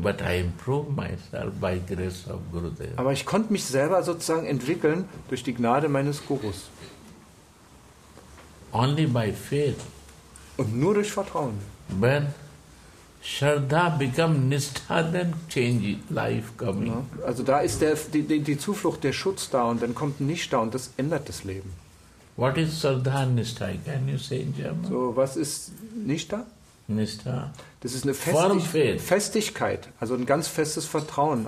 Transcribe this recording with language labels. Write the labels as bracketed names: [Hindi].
[English] But I improved myself by grace of Gurudev. [German] Aber ich konnte mich selber sozusagen entwickeln durch die Gnade meines Gurus. [English] Only by faith. [German] Und nur durch Vertrauen. [English] When Shraddha become Nistha, then change life coming. [German] Ja, also da ist die Zuflucht, der Schutz da und dann kommt Nishtha und das ändert das Leben. [English] What is Shraddha Nishtha? Can you say in German? [German] So, was ist Nishtha? Nishtha. Das ist eine Festigkeit, also ein ganz festes Vertrauen.